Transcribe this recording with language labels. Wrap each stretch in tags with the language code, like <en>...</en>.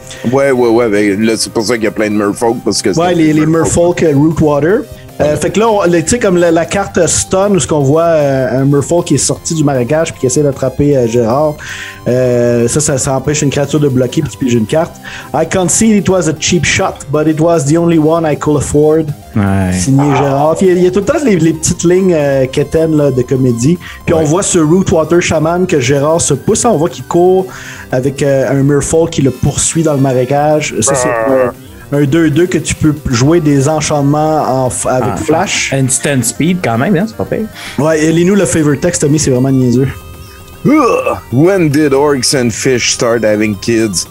<fr>Ouais. Mais là, c'est pour ça qu'il y a plein de merfolk. Parce que ouais, les merfolk Root Water. Fait que là, tu sais, comme la carte stun, où ce qu'on voit un merfolk qui est sorti du marécage puis qui essaie d'attraper Gérard, ça empêche une créature de bloquer, puis tu piges une carte.</fr> <en>I concede it was a cheap shot, but it was the only one I could afford.</en> <fr>Ouais. Signé Gérard. Puis il y a tout le temps les petites lignes quétaines là, de comédie. Puis ouais. On voit ce Rootwater Shaman que Gérard se pousse. On voit qu'il court avec un merfolk qui le poursuit dans le marécage. Ça, c'est un 2-2 que tu peux jouer des enchantements avec Flash. Instant speed quand même, hein, c'est pas pire. Ouais, lis-nous le favorite text, Tommy, c'est vraiment niaiseux.</fr> <en>When did orcs and fish start having kids?</en>